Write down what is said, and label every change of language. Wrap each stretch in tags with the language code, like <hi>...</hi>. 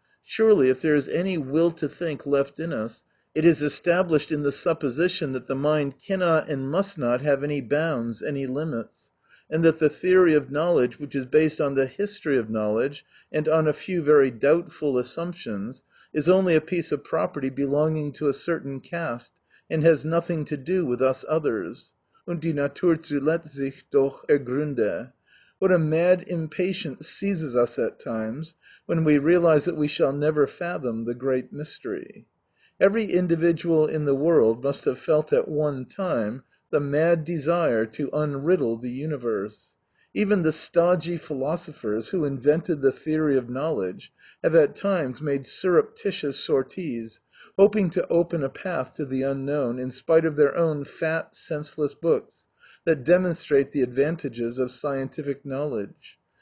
<en>Surely, if there is any will to think left in us, it is established in the supposition that the mind cannot and must not have any bounds, any limits, and that the theory of knowledge, which is based on the history of knowledge and on a few very doubtful assumptions, is only a piece of property belonging to a certain caste and has nothing to do with us others.</en> <de>Und die Natur zuletzt sich doch ergründe.</de> <en>What a mad impatience seizes us at times when we realize that we shall never fathom the great mystery. Every individual in the world must have felt at one time the mad desire to unriddle the universe. Even the stodgy philosophers who invented the theory of knowledge have at times made surreptitious sorties, hoping to open a path to the unknown in spite of their own fat, senseless books that demonstrate the advantages of scientific knowledge.</en>